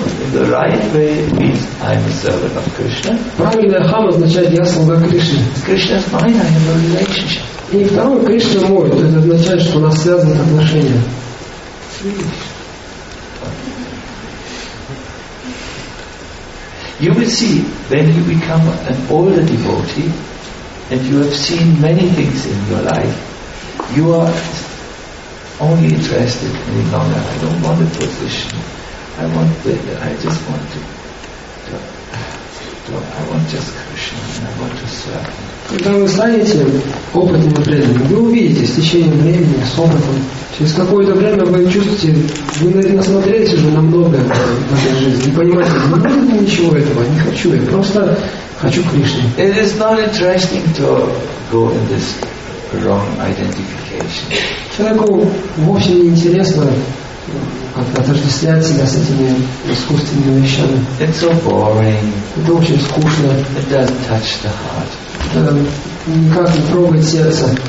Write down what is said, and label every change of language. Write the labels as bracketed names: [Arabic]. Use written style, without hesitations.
[English] The right way means I am a servant of Krishna. [Russian] Правильный ахам означает я слуга Кришны. [English] Krishna is mine, I have a relationship. [Russian] И второе, Кришна мой, то есть означает, что у нас связаны отношения. [English] You will see when you become an older devotee and you have seen many things in your life, you are only interested any longer. I don't want a position. I just want Krishna and I want to serve. [Russian] Когда вы станете опытным и преданным, вы увидите с течением времени, с опытом, через какое-то время вы чувствуете, вы насмотрелись уже на многое в этой жизни, не понимаете, не надо мне ничего этого, не хочу, я просто хочу Кришну. [English] It is not interesting to go in this wrong identification. [Russian] Человеку вовсе не интересно отождествлять себя с этими искусственными вещами. [English] It's so boring. [Russian] Это очень скучно. [English] It doesn't touch the heart. [Russian] Это никак не трогает сердце.